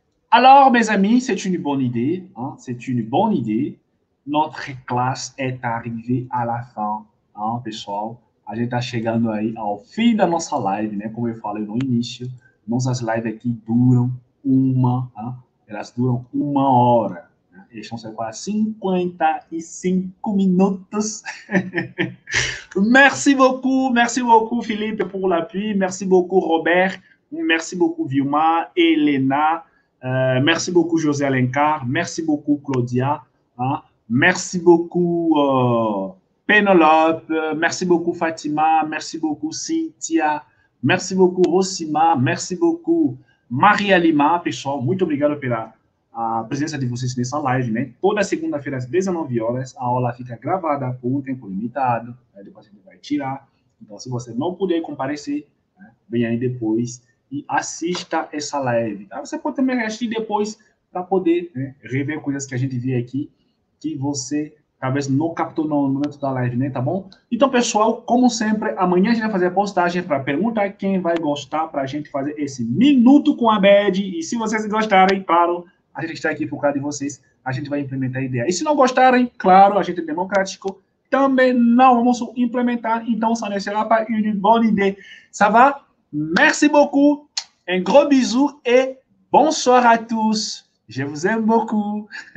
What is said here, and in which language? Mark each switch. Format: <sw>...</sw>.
<fr>Alors, mes amis, c'est une bonne idée. Hein? C'est une bonne idée. Notre classe est arrivée à la fin.</fr> <pt>Ah, pessoal, a gente está chegando aí ao fim da nossa live, né? Como eu falei no início, nossas lives aqui duram elas duram 1 hora. Né? Eles são quase 55 minutos.</pt> <fr>merci beaucoup, Felipe, pour l'appui. Merci beaucoup, Robert. Merci beaucoup, Vilma, Helena. Merci beaucoup, José Alencar. Merci beaucoup, Claudia. Hein? Merci beaucoup. Penelope, merci beaucoup Fatima, merci beaucoup Cynthia, merci beaucoup Rosima, merci beaucoup Maria Lima.</fr> <pt>Pessoal, muito obrigado pela presença de vocês nessa live, né? Toda segunda-feira às 19 horas, a aula fica gravada por um tempo limitado, né? Depois a gente vai tirar. Então, se você não puder comparecer, né? Vem aí depois e assista essa live. Tá? Você pode também assistir depois para poder, né? Rever coisas que a gente vê aqui que você Talvez no capto no momento da live, né? Tá bom? Então, pessoal, como sempre, amanhã a gente vai fazer a postagem para perguntar quem vai gostar para a gente fazer esse minuto com a Bad. E se vocês gostarem, claro, a gente está aqui por causa de vocês. A gente vai implementar a ideia. E se não gostarem, claro, a gente é democrático. Também não vamos implementar. Então,</pt> <fr>ça ne sera pas une bonne idée. Ça va? Merci beaucoup. Un gros bisou et bonsoir à tous. Je vous aime beaucoup.</fr>